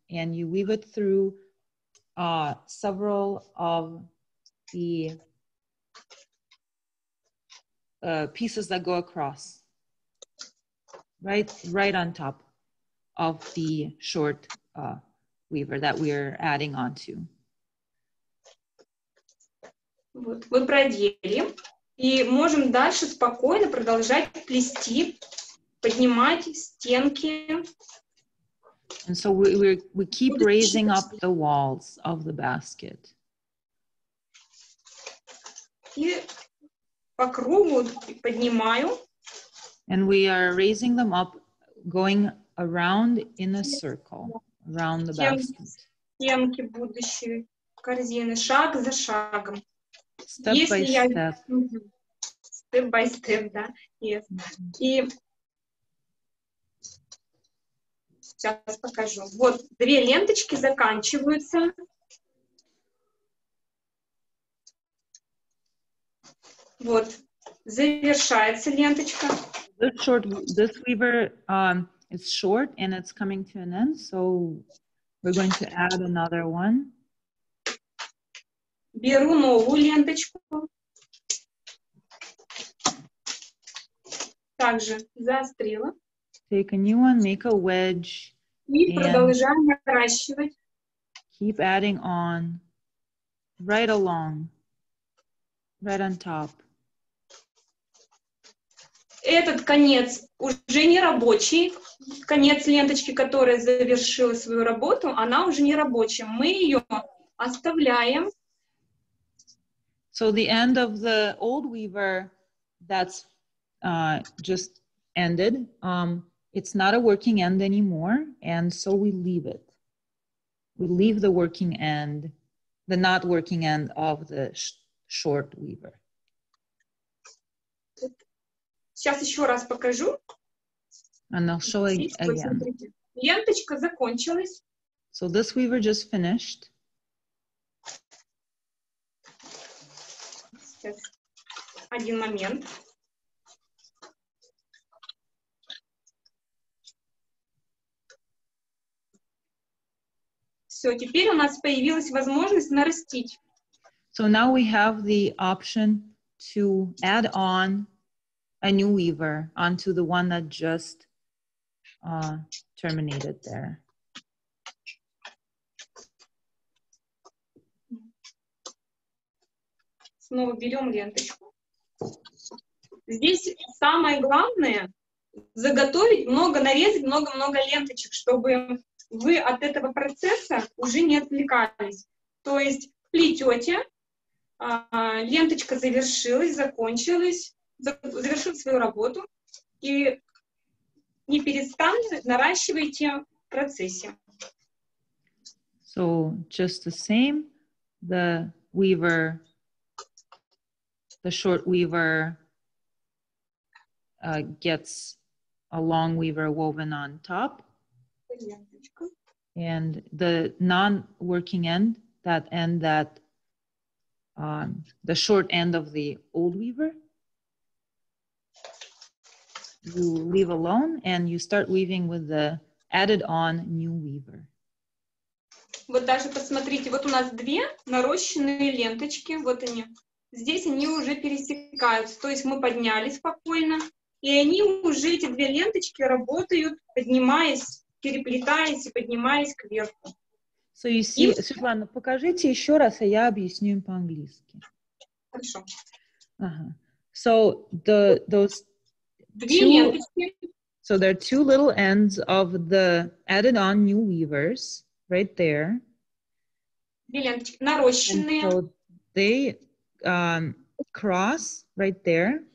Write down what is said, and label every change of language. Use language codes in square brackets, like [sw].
[en] And you weave it through several of the pieces that go across. Right on top of the short weaver that we're adding on to. [ru] Вот, мы проделали. И можем дальше спокойно продолжать плести, поднимать стенки. [en] And so we keep raising up the walls of the basket. [ru] И по кругу поднимаю. [en] And we are raising them up, going around in a circle, around the basket. [ru] Стенки будущей корзины, шаг за шагом. [en] Step by step. Step by step, да. Yes. Mm-hmm. [ru] И сейчас покажу. Вот две ленточки заканчиваются. Вот завершается ленточка. [en] This weaver is short and it's coming to an end, so we're going to add another one. [ru] Беру новую ленточку. Также заострила. [en] Take a new one, make a wedge. [ru] И продолжаем наращивать. [en] Keep adding on. Right along. Right on top. [ru] Этот конец уже не рабочий. Конец ленточки, которая завершила свою работу, она уже не рабочая. Мы ее оставляем. [en] So the end of the old weaver that's just ended, it's not a working end anymore, and so we leave it. We leave the working end, the not working end of the short weaver. [ru] Сейчас еще раз покажу. [en] And I'll show it again. [ru] Ленточка закончилась. [en] So this weaver just finished. [ru] Сейчас. Один момент. Все, теперь у нас появилась возможность нарастить. [en] So now we have the option to add on a new weaver onto the one that just terminated there. [ru] Снова берем ленточку. Здесь самое главное заготовить много, нарезать много-много ленточек, чтобы вы от этого процесса уже не отвлекались. То есть плетете, ленточка завершилась, закончилась. Завершил свою работу и не перестанете наращивайте в процессе. [en] So just the same, the weaver, the short weaver gets a long weaver woven on top, and the non-working end, that end that the short end of the old weaver. You leave alone and you start weaving with the added on new weaver. [ru] Вот даже посмотрите, вот у нас две нарощенные ленточки, вот они. Здесь они уже пересекаются, то есть мы подняли спокойно, и они уже, эти две ленточки, работают, поднимаясь, переплетаясь и поднимаясь кверху. [en] So you see, [ru] Светлана, покажите еще раз, а я объясню им по-английски. Хорошо. Uh-huh. [en] So those two, so there are two little ends of the added on new weavers right there. So they cross right there.